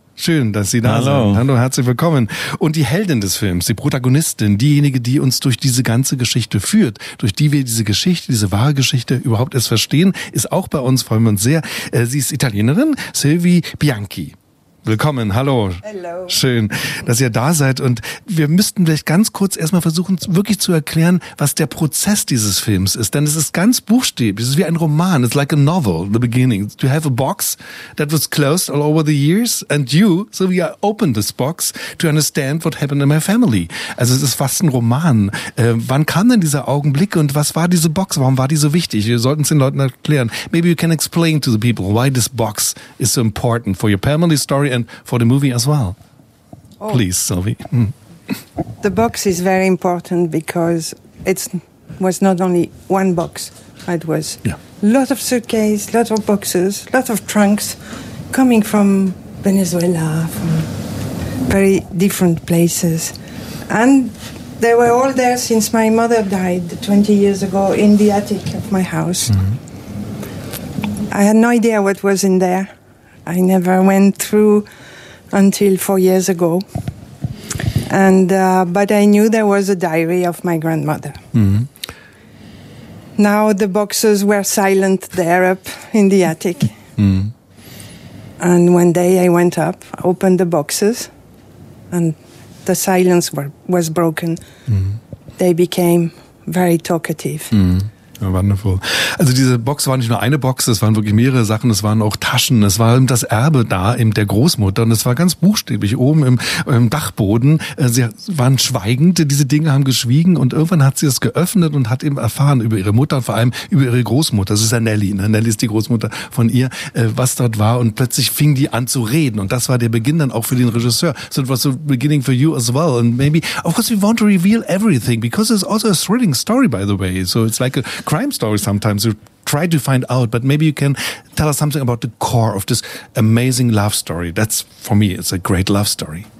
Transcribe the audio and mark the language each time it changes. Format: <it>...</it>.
<de>Schön, dass Sie da sind. Hallo, herzlich willkommen. Und die Heldin des Films, die Protagonistin, diejenige, die uns durch diese ganze Geschichte führt, durch die wir diese Geschichte, diese wahre Geschichte überhaupt erst verstehen, ist auch bei uns, freuen wir uns sehr. Sie ist Italienerin, Sylvie Bianchi. Willkommen, hallo. Hallo. Schön, dass ihr da seid. Und wir müssten vielleicht ganz kurz erstmal versuchen, wirklich zu erklären, was der Prozess dieses Films ist. Denn es ist ganz buchstäblich, es ist wie ein Roman.</de> <en>It's like a novel, the beginning. You have a box that was closed all over the years. And you, so we opened this box to understand what happened in my family.</en> <de>Also es ist fast ein Roman. Wann kam denn dieser Augenblick und was war diese Box? Warum war die so wichtig? Wir sollten es den Leuten erklären.</de> <en>Maybe you can explain to the people why this box is so important for your family story and for the movie as well. Oh. Please, Sylvie. The box is very important because it was not only one box. It was lot of suitcases, lot of boxes, lot of trunks coming from Venezuela, from very different places. And they were all there since my mother died 20 years ago in the attic of my house. I had no idea what was in there. I never went through until 4 years ago. But I knew there was a diary of my grandmother. Now the boxes were silent there up in the attic. And one day I went up, opened the boxes, and the silence was broken. They became very talkative. Wonderful.</en> <de>Also diese Box war nicht nur eine Box, es waren wirklich mehrere Sachen, es waren auch Taschen, es war eben das Erbe da, eben der Großmutter und es war ganz buchstäblich oben im Dachboden. Sie waren schweigend, diese Dinge haben geschwiegen und irgendwann hat sie es geöffnet und hat eben erfahren über ihre Mutter, vor allem über ihre Großmutter, das ist ja Nelly, ne? Nelly ist die Großmutter von ihr, was dort war und plötzlich fing die an zu reden und das war der Beginn dann auch für den Regisseur.</de> <en>So it was the beginning for you as well and maybe, of course we want to reveal everything because it's also a thrilling story by the way, so it's like a crime story sometimes you try to find out, but maybe you can tell us something about the core of this amazing love story. That's, for me, it's a great love story.</en>